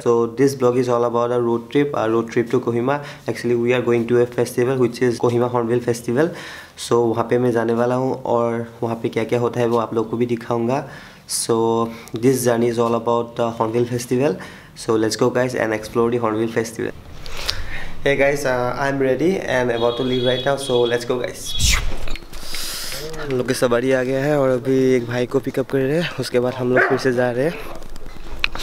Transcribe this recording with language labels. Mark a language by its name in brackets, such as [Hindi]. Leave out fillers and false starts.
[English] So this vlog is all about a road trip to Kohima. Actually, we are going to a festival, which is Kohima Hornbill Festival. [Hindi] So वहाँ पे मैं जाने वाला हूँ और वहाँ पे क्या-क्या होता है वो आप लोगों को भी दिखाऊंगा. [English] So this journey is all about the Hornbill Festival. So let's go, guys, and explore the Hornbill Festival. Hey guys, I'm ready and about to leave right now. So let's go, guys. [Hindi] हम लोग की सवारी आ गया है और अभी एक भाई को पिकअप कर रहे हैं, उसके बाद हम लोग फिर से जा रहे हैं.